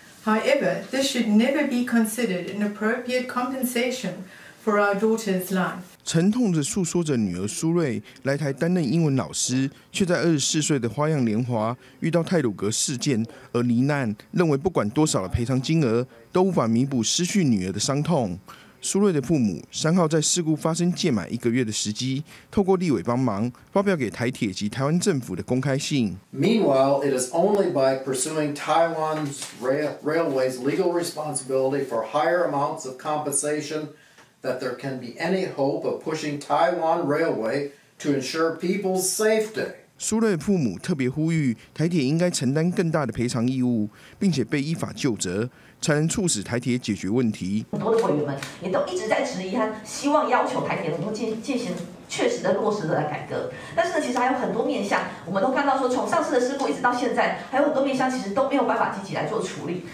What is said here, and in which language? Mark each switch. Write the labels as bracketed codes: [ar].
[en] However, this should never be considered an appropriate compensation for our daughter's life. [zh] 沉痛地诉说着女儿苏瑞来台担任英文老师，却在24岁的花样年华遇到太鲁阁事件而罹难，认为不管多少的赔偿金额都无法弥补失去女儿的伤痛。苏瑞的父母3号在事故发生届满一个月的时机，透过立委帮忙发表给台铁及台湾政府的公开信。 [en] Meanwhile, it is only by pursuing Taiwan's railway's legal responsibility for higher amounts of compensation. That there can be any hope of pushing Taiwan Railway to ensure people's safety. [zh] 苏瑞父母特别呼吁台铁应该承担更大的赔偿义务，并且被依法就责，才能促使台铁解决问题。很多的委员们也都一直在质疑和希望要求台铁能够进行确实的落实的改革，但是呢，其实还有很多面向，我们都看到说，从上次的事故一直到现在，还有很多面向其实都没有办法积极来做处理。